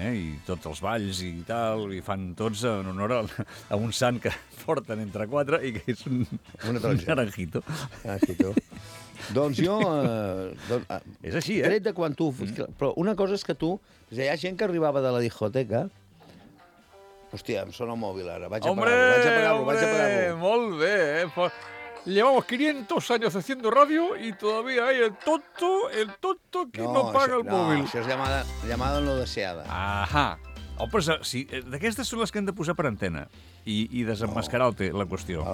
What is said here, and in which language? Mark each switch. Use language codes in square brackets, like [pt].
[ca] I tots els balls i tal, i fan tots en honor a un sant que porten entre quatre i que és un Naranjito. Naranjito. Doncs jo... És així, eh? Tret de quan tu... Però una cosa és que tu... És que hi ha gent que arribava de la discoteca... Hòstia, em sona el mòbil ara. Vaig [es] hombre, [ca] a pagar-lo, vaig a pagar-lo. [es] Hombre, [ca] molt bé, [es] Llevamos 500 años haciendo radio y todavía hay el tonto que no paga el mòbil. [ca] No, això és [es] llamada no deseada. [ca] Ajà. Oh, però si, d'aquestes són les que hem de posar per antena i desemmascarar la qüestió.